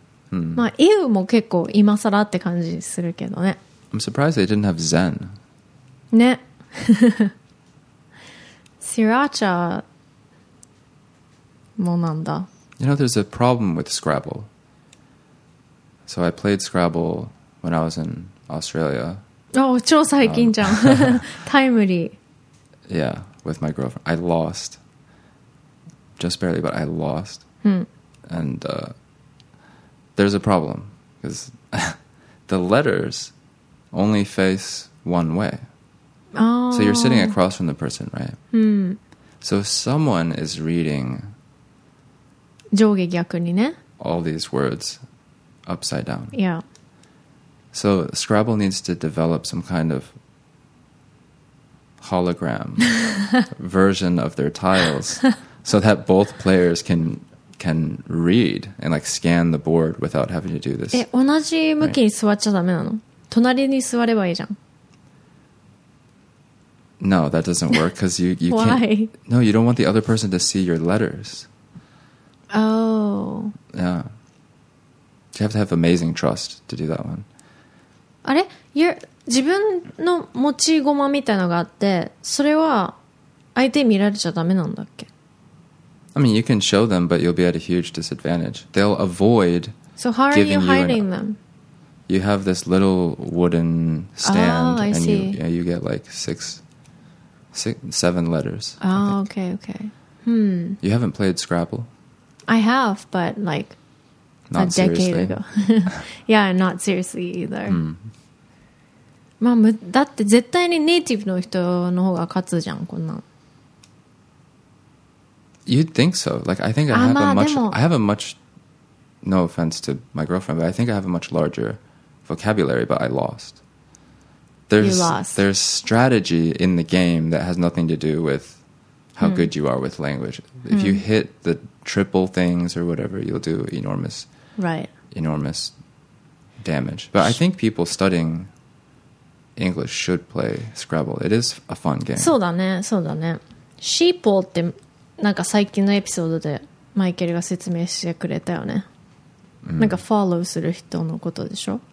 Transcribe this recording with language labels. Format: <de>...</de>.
<ja>まあ、ew も結構今更って感じするけどね。</ja> <en>I'm surprised they didn't have Zen.</en> <ja>ね。シラーチャーもなんだ。</ja> <en>You know, there's a problem with Scrabble. So I played Scrabble when I was in Australia. Oh,</en> <ja>超最近じゃん。タイムリー。</ja> <en>Yeah, with my girlfriend. I lost. Just barely, but I lost. And there's a problem. Because the letters only face one way. Oh. So you're sitting across from the person, right? Hmm. So someone is reading...</en> <ja>上下逆にね。</ja> <en>All these words upside down. Yeah. So Scrabble needs to develop some kind of hologram version of their tiles so that both players can read and like scan the board without having to do this.</en> <ja>え、同じ向きに座っちゃダメなの？隣に座ればいいじゃん。</ja> <en>No, that doesn't work because you Why? can't. No, you don't want the other person to see your letters. Oh. Yeah. You have to have amazing trust to do that one.</en> <ja>あれ？自分の持ち駒みたいなのがあって、それは相手見られちゃダメなんだっけ？</ja> <en>I mean, you can show them, but you'll be at a huge disadvantage. They'll avoid So how are you hiding you them? You have this little wooden stand. Oh, I and see. You get like seven letters. Oh, okay. You haven't played Scrabble? I have, but like not a decade、 seriously. ago. yeah, not seriously either.、</en> <ja>うん、まあ、だって絶対にネイティブの人の方が勝つじゃん、こんなん。</ja> <en>You'd think so. Like, I think I have a much, no offense to my girlfriend, but I think I have a much larger vocabulary, but I lost. There's strategy in the game that has nothing to do with how、good you are with language. If、you hit the... triple things or whatever, you'll do enormous damage. But I think people studying English should play Scrabble. It is a fun game.</en> <ja>そうだね、そうだね。シーポーってなんか最近のエピソードでマイケルが説明してくれたよね。なんかフォローする人のことでしょ。</ja>